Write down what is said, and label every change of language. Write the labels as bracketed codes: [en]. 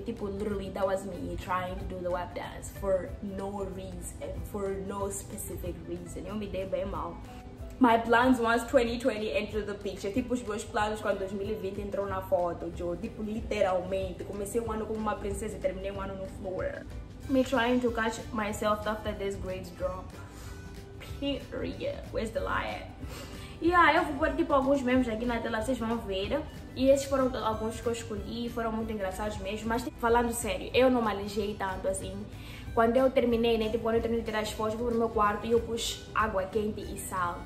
[en] Tipo, literally, that was me trying to do the web dance for no reason, for no specific reason. [pt] Eu me dei bem mal. [en] My plans once 2020 entered the picture. [pt] Tipo, os meus planos quando 2020 entrou na foto, Joe. Tipo, literalmente. Comecei um ano como uma princesa e terminei um ano no floor. [en] Me trying to catch myself after this grade drop. Period. Where's the lie at? [pt] Yeah, eu vou pôr tipo alguns memes aqui na tela, vocês vão ver. E esses foram alguns que eu escolhi, foram muito engraçados mesmo. Mas falando sério, eu não malejei tanto assim. Quando eu terminei, né? Tipo, quando eu terminei de tirar as fotos, eu fui pro meu quarto e eu pus água quente e sal.